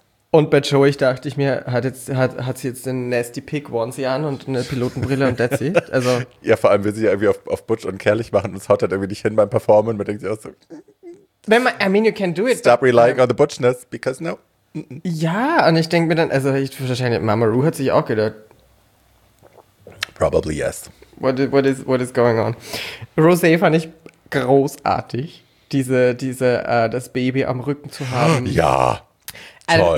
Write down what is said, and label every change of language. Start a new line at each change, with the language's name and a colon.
German: Und bei Joey dachte ich mir, hat sie jetzt den Nasty Pick Onesie an und eine Pilotenbrille und
English: that's it.
German: Also. Ja, vor allem will sie ja irgendwie auf Butch und Kerlich machen und es haut halt irgendwie nicht hin beim Performen. Und man denkt sich auch so.
English: You can do it. Stop relying on the butchness, because no.
German: Ja, und ich denke mir dann, also ich wahrscheinlich, Mama Ru hat sich auch gedacht.
English: Probably yes. What is going on?
German: Rosé fand ich großartig, das Baby am Rücken zu haben. Ja, also, toll.